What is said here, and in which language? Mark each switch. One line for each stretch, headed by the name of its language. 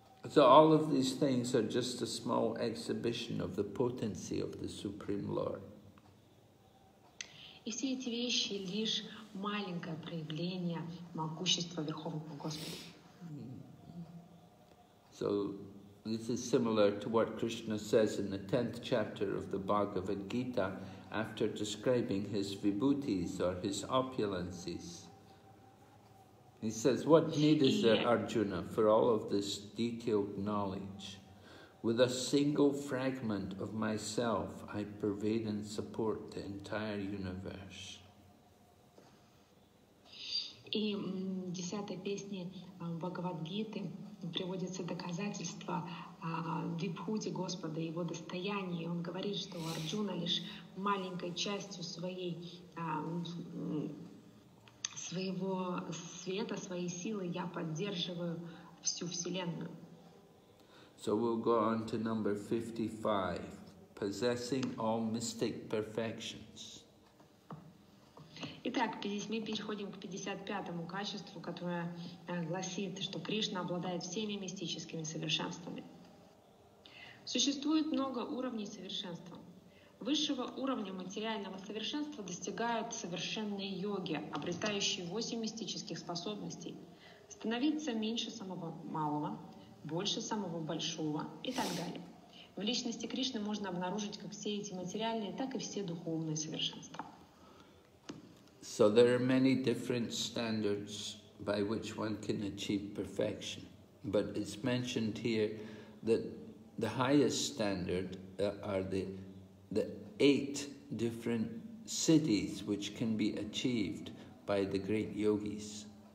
English: So all of these things are just a small exhibition of the potency of the Supreme Lord.
Russian: И все эти вещи лишь маленькое проявление могущества Верховного Господа.
English: So this is similar to what Krishna says in the 10th chapter of the Bhagavad Gita after describing his vibhutis or his opulences. He says, what need is there, Arjuna, for all of this detailed knowledge? With a single fragment of myself, I pervade and support the entire universe.
Russian: И в 10-й песне Бхагавад-гиты приводится доказательство Вибхути Господа, Его достояния. Он говорит, что Арджуна лишь маленькой частью своего света, своей силы я поддерживаю всю Вселенную.
English: So we'll go on to number 55. Possessing all mystic perfections.
Russian: Итак, мы переходим к 55-му качеству, которое гласит, что Кришна обладает всеми мистическими совершенствами. Существует много уровней совершенства. Высшего уровня материального совершенства достигают совершенные йоги, обретающие 8 мистических способностей. Становиться меньше самого малого, больше самого большого и так далее. В личности Кришны можно обнаружить как все эти материальные, так и все духовные совершенства.
English: So there are many different standards by which one can achieve perfection. But it's mentioned here that the highest standard are the 8 different cities which can be achieved by the great yogis.